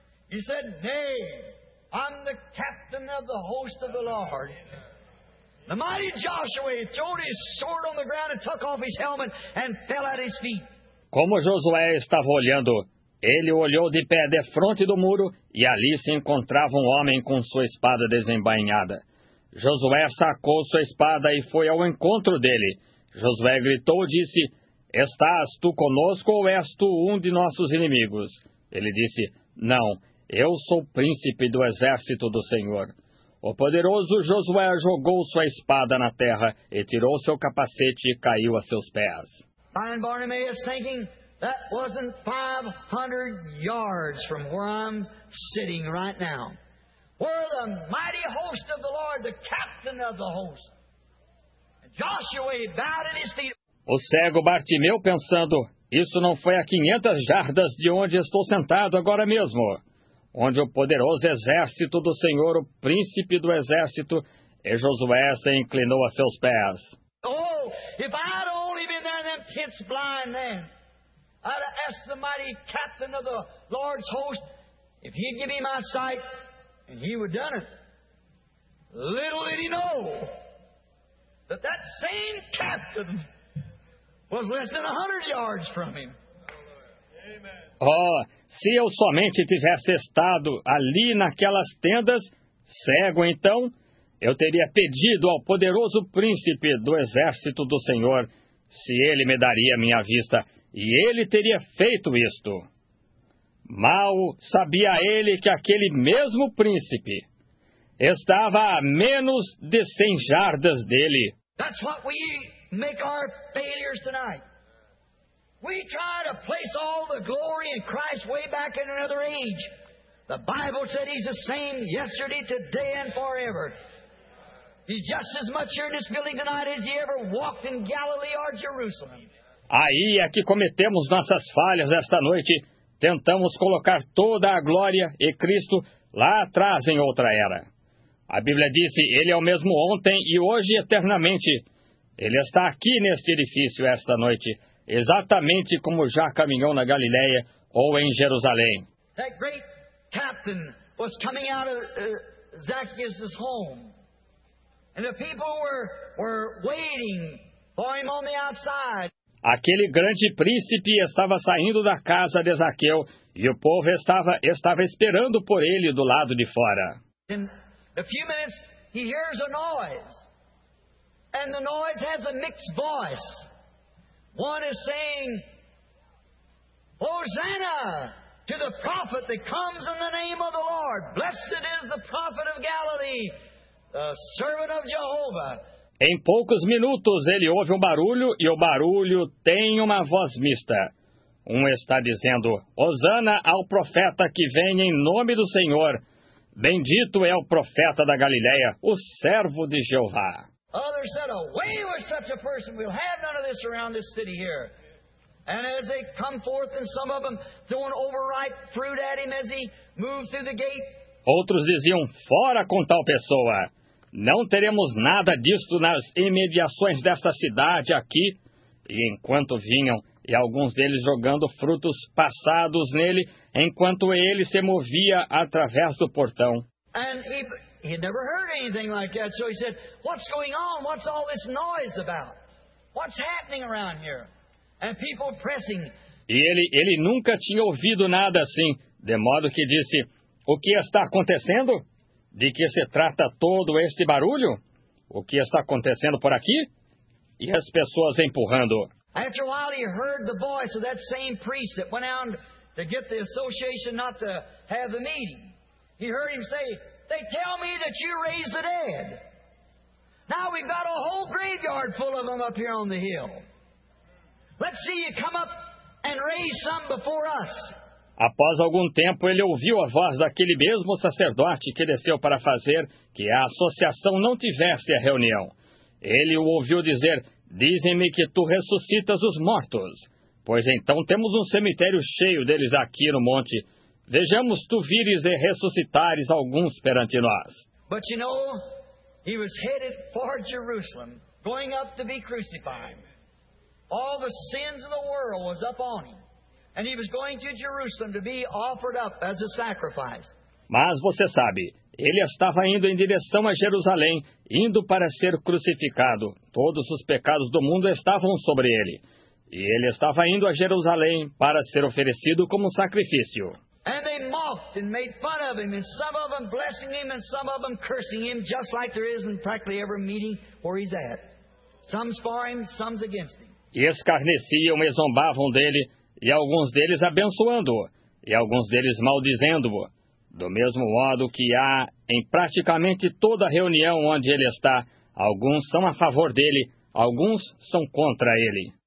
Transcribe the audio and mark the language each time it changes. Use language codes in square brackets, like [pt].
[en] He said, nay, I'm the captain of the host of the Lord. The mighty Joshua threw his sword on the ground and took off his helmet and fell at his feet. [pt] Como Josué estava olhando, ele olhou de pé de frente do muro e ali se encontrava um homem com sua espada desembainhada. Josué sacou sua espada e foi ao encontro dele. Josué gritou e disse: Estás tu conosco ou és tu um de nossos inimigos? Ele disse: Não, eu sou príncipe do exército do Senhor. O poderoso Josué jogou sua espada na terra e tirou seu capacete e caiu a seus pés. [en] Fine Bartimaeus thinking that wasn't 500 yards from where I'm sitting right now. Where the mighty host of the Lord, the captain of the host. Joshua bowed at his feet. [pt] O cego Bartimeu pensando, isso não foi a 500 jardas de onde estou sentado agora mesmo. Onde o poderoso exército do Senhor, o príncipe do exército, e Josué se inclinou a seus pés. [en] Oh, if I'd only been there in them tents blind then, I'd have asked the mighty captain of the Lord's host if he'd give me my sight, and he would have done it. Little did he know that that same captain was less than 100 yards from him. [pt] Oh, se eu somente tivesse estado ali naquelas tendas, cego então, eu teria pedido ao poderoso príncipe do exército do Senhor se ele me daria minha vista, e ele teria feito isto. Mal sabia ele que aquele mesmo príncipe estava a menos de 100 jardas dele. [en] That's what we make our failures tonight. We try to place all the glory in Christ way back in another age. The Bible said he's the same yesterday, today, and forever. He's just as much here in this building tonight as he ever walked in Galilee or Jerusalem. [pt] Aí é que cometemos nossas falhas esta noite. Tentamos colocar toda a glória e Cristo lá atrás em outra era. A Bíblia disse, ele é o mesmo ontem e hoje eternamente. Ele está aqui neste edifício esta noite. Exatamente como já caminhou na Galiléia ou em Jerusalém. [en] That great captain was coming out of Zacchaeus's home. And the people were waiting for him on the outside. [pt] Aquele grande príncipe estava saindo da casa de Zaqueu e o povo estava esperando por ele do lado de fora. [en] In a few minutes he hears a noise. And the noise has a mixed voice. One is saying, Hosanna to the prophet that comes in the name of the Lord. Blessed is the prophet of Galilee, the servant of Jehovah. [pt] Em poucos minutos ele ouve um barulho e o barulho tem uma voz mista. Um está dizendo, Hosanna ao profeta que vem em nome do Senhor. Bendito é o profeta da Galileia, o servo de Jeová. [en] Others said, away with such a person, we'll have none of this around this city here. And as they come forth, and some of them throwing overripe fruit at him as he moved through the gate. [pt] Outros diziam, fora com tal pessoa. Não teremos nada disto nas imediações desta cidade aqui. E enquanto vinham, e alguns deles jogando frutos passados nele, enquanto ele se movia através do portão. [en] And he had never heard anything like that, so he said, what's going on? What's all this noise about? What's happening around here? And people pressing. [pt] E ele nunca tinha ouvido nada assim, de modo que disse, o que está acontecendo? De que se trata todo este barulho? O que está acontecendo por aqui? E as pessoas empurrando. [en] After a while, he heard the voice of that same priest that went out to get the association not to have the meeting. He heard him say, they tell me that you raised the dead. Now we've got a whole graveyard full of them up here on the hill. Let's see you come up and raise some before us. [pt] Após algum tempo, ele ouviu a voz daquele mesmo sacerdote que desceu para fazer que a associação não tivesse a reunião. Ele o ouviu dizer, dizem-me que tu ressuscitas os mortos, pois então temos um cemitério cheio deles aqui no monte. Vejamos tu vires e ressuscitares alguns perante nós. [en] But you know, he was headed for Jerusalem, going up to be crucified. All the sins of the world was up on him. And he was going to Jerusalem to be offered up as a sacrifice. [pt] Mas você sabe, Ele estava indo em direção a Jerusalém, indo para ser crucificado. Todos os pecados do mundo estavam sobre ele. E ele estava indo a Jerusalém para ser oferecido como sacrifício. [en] And they mocked and made fun of him, and some of them blessing him, and some of them cursing him, just like there is in practically every meeting where he's at. Some's for him, some's against him. [pt] E escarneciam e zombavam dele, e alguns deles abençoando-o, e alguns deles maldizendo-o. Do mesmo modo que há em praticamente toda reunião onde ele está, alguns são a favor dele, alguns são contra ele.